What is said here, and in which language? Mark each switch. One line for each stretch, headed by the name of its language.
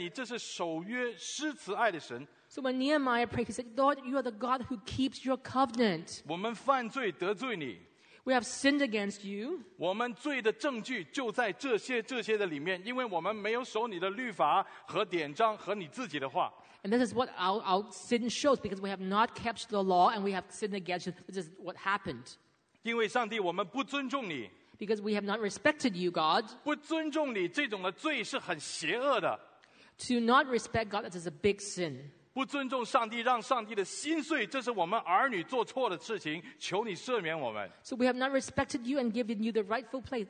Chinese: 所以当但以理祷告的时候就说上帝啊你这是守约施慈爱的神。
English: So when Nehemiah prayed, he said, Lord, you are the God who keeps your covenant.
Chinese: 我们犯罪得罪你。
English: We have sinned against you.
Chinese: 我们罪的证据就在这些这些的里面, 因为我们没有守你的律法和典章和你自己的话。
English: And this is what our sin shows, because we have not kept the law and we have sinned against you. This is what happened.
Chinese: 因为上帝我们不尊重你。
English: Because we have not respected you, God.
Chinese: 不尊重你这种的罪是很邪恶的。
English: To not respect God, that is a big sin.
Chinese: 不尊重上帝, 让上帝的心碎, 这是我们儿女做错的事情, 求你赦免我们。
English: So we have not respected you and given you the rightful place.